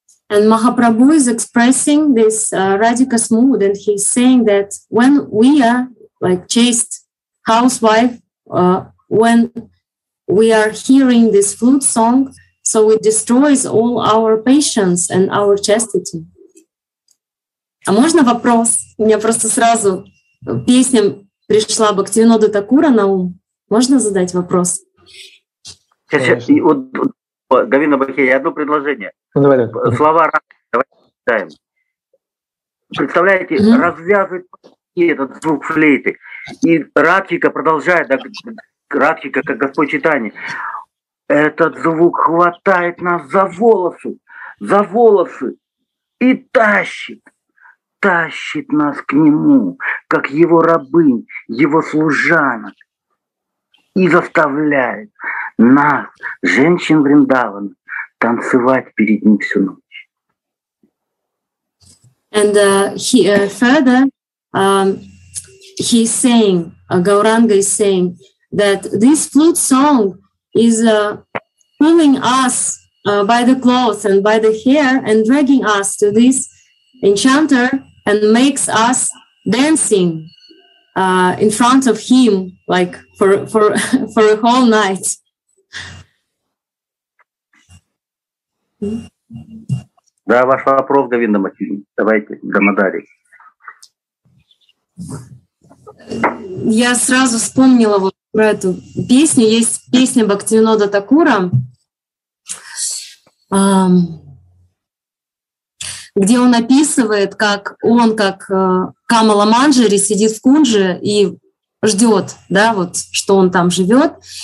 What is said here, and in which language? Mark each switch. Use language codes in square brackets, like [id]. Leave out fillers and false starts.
[en] And Mahaprabhu is expressing this Radhika's mood, and he's saying that when we are like chaste housewife, when we are hearing this flute song, so it destroys all our patience and our chastity. [ru] А можно вопрос? У меня просто сразу песня пришла Бхактивинода Такура на ум. Можно задать вопрос? Сейчас, Говинда Бхакти, я одно предложение. Давай. Слова Радхи, давайте читаем. Представляете, развязывает этот звук флейты. И Радхика продолжает, да, Радхика, как Господь Чайтанья. Этот звук хватает нас за волосы и тащит, тащит нас к нему, как его рабынь, его служанок. И заставляет нас, женщин Вриндавана, танцевать перед ним всю ночь. [en] And he's saying, Gauranga is saying, that this flute song is pulling us by the clothes and by the hair and dragging us to this enchanter and makes us dancing in front of him, like for a whole night. [ru] Да, ваш вопрос, Говинда Махарадж. Давайте, Дамодари. Я сразу вспомнила вот про эту песню. Есть песня Бхактивинода Такура, где он описывает, как он, как Камала Манджари, сидит в кунже и ждет, да, вот, что он там живет.